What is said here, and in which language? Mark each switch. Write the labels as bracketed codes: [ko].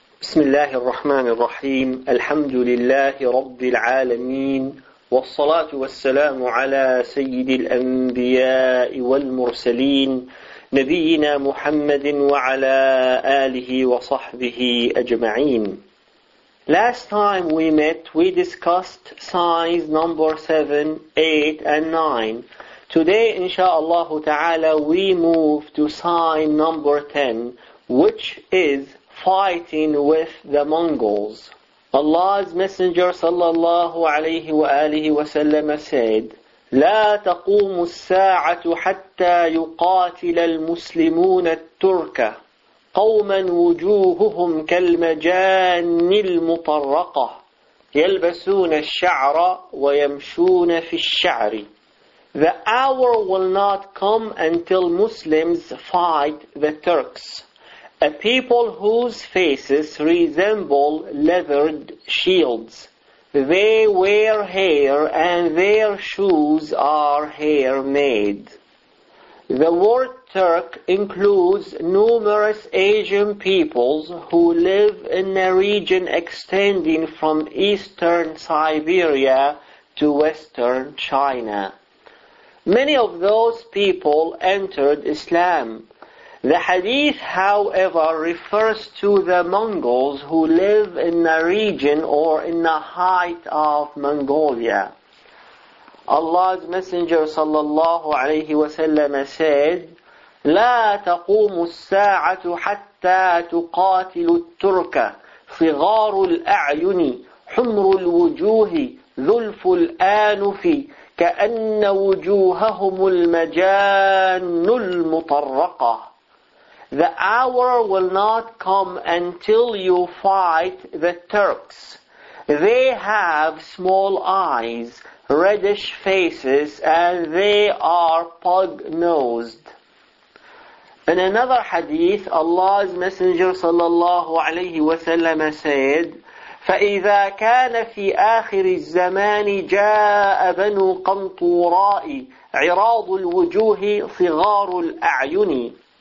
[ar] بسم الله الرحمن الرحيم الحمد لله رب العالمين والصلاة والسلام على سيد الأنبياء والمرسلين نبينا محمد وعلى آله وصحبه أجمعين. [en] Last time we met, we discussed signs number 7, 8 and 9. Today, inshallah ta'ala, we move to sign number 10, which is fighting with the Mongols. Allah's Messenger sallallahu alayhi wa alihi wa sallam said, [ar] لا تقوم الساعة حتى يقاتل المسلمون الترك قوما وجوههم كالمجان المطرقة يلبسون الشعر ويمشون في الشعر. [en] The hour will not come until Muslims fight the Turks, a people whose faces resemble leathered shields. They wear hair and their shoes are hair made. The word Turk includes numerous Asian peoples who live in a region extending from eastern Siberia to western China. Many of those people entered Islam. The hadith, however, refers to the Mongols who live in the region or in the height of Mongolia. Allah's Messenger sallallahu alayhi wa sallam said, [ar] لا تقوم الساعة حتى تقاتل الترك صغار الأعين حمر الوجوه ذلف الأنف كأن وجوههم المجان المطرقة. [en] The hour will not come until you fight the Turks. They have small eyes, reddish faces, and they are pug-nosed. In another hadith, Allah's Messenger sallallahu alayhi wa sallam said, [ar] فَإِذَا كَانَ فِي آخِرِ الزَّمَانِ جَاءَ بَنُوا قَنْطُورَاءِ عِرَاضُ الْوُجُوهِ صِغَارُ الْأَعْيُنِ.